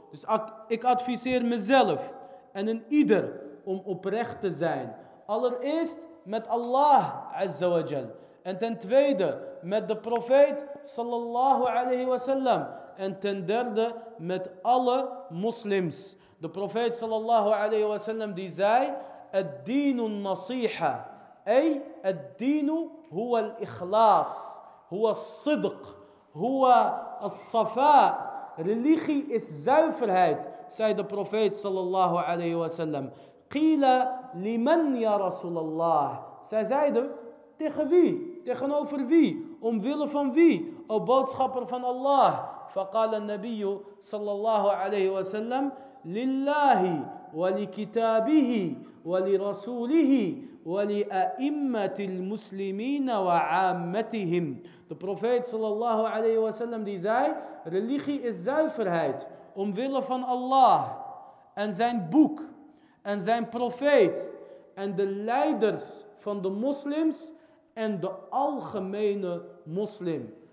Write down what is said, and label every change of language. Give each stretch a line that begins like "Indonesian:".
Dutch: Dus ik adviseer mezelf en een ieder om oprecht te zijn. Allereerst met Allah Azza wa Jal. En ten tweede met de profeet sallallahu alayhi wa sallam. En ten derde met alle moslims. De profeet sallallahu alayhi wa sallam die zei,
Arabic: الدينُ النصيحة أي الدين هو الإخلاص هو الصدق هو الصفاء.
Dutch: Religie is zuiverheid, zei de profeet sallallahu alayhi wa sallam.
Arabic: قيل لمن يا رسول الله,
Dutch: zij zeiden tegen wie, tegenover wie, omwille van wie, o boodschapper van Allah.
Arabic: فقال النبي صلى الله عليه وسلم لله ولكتابه ولرسوله ولأئمة المسلمين وعامتهم.
Dutch: De profeet sallallahu alayhi wa sallam die zei, religie is zuiverheid omwille van Allah en zijn boek en zijn profeet en de leiders van de moslims en de algemene moslim.